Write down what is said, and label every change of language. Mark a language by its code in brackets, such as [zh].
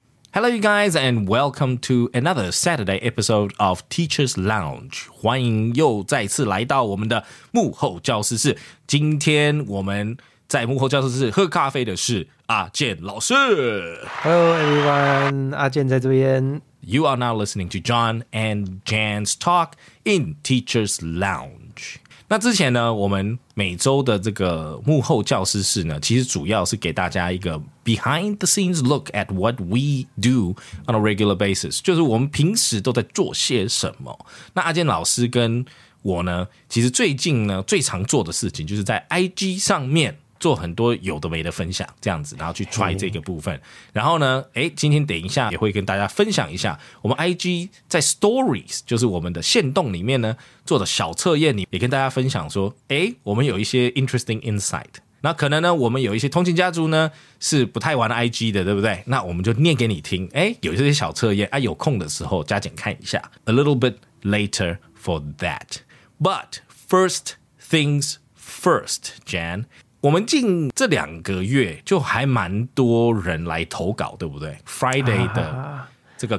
[en] Hello, you guys, and welcome to another Saturday episode of Teacher's Lounge. [zh] 欢迎又再次来到我们的幕后教室室。今天我们在幕后教室室喝咖啡的是阿健老师。 [en] Hello, everyone. [zh] 阿健在这边。 [en] You are now listening to John and Jan's talk in Teacher's Lounge. [zh] 那之前呢，我们每周的这个幕后教室室呢，其实主要是给大家一个 [en] behind the scenes look at what we do on a regular basis， [zh] 就是我们平时都在做些什么。那阿健老师跟我呢，其实最近呢最常做的事情就是在 IG 上面做很多有的没的分享这样子，然后去 try 这个部分。然后呢，今天等一下也会跟大家分享一下我们 IG 在 stories， 就是我们的限动里面呢做的小测验，也跟大家分享说，我们有一些 [en] interesting insight。 [zh] 那可能呢，我们有一些通勤家族呢是不太玩 IG 的，对不对？那我们就念给你听，有这些小测验，有空的时候加减看一下。 [en] A little bit later for that. But first things first, Jan. [zh] 我们近这两个月就还蛮多人来投稿，对不对 ？Friday 的这个